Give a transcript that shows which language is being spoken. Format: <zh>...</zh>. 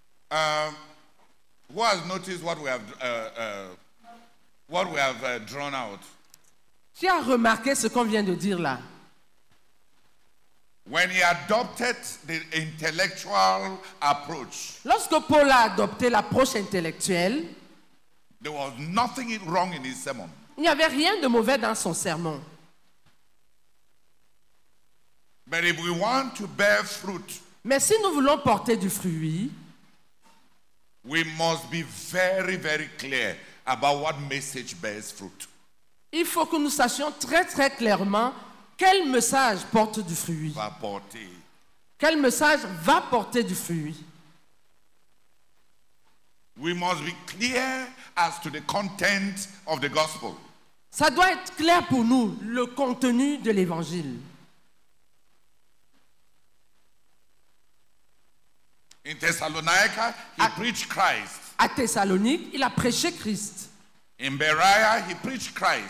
<en>Who has noticed what we have drawn out?</en> <fr>Qui a remarqué ce qu'on vient de dire là?</fr> <en>When he adopted the intellectual approach.</en> <fr>Lorsque Paul a adopté l'approche intellectuelle,</fr> <en>there was nothing wrong in his sermon.</en> <fr>Il n'y avait rien de mauvais dans son sermon.</fr> <en>But if we want to bear fruit,</en> <fr>mais si nous voulons porter du fruit,</fr> <en>we must be very, very clear about what message bears fruit.</en> <fr>Il faut que nous sachions très, très clairement quel message porte du fruit. Va porter. Quel message va porter du fruit.</fr> <en>We must be clear as to the content of the gospel.</en> <fr>Ça doit être clair pour nous, le contenu de l'évangile.</fr> <en>In Thessalonica, he preached Christ.</en> <fr>À Thessalonique, il a prêché Christ.</fr> <en>In Beria, he preached Christ.</en>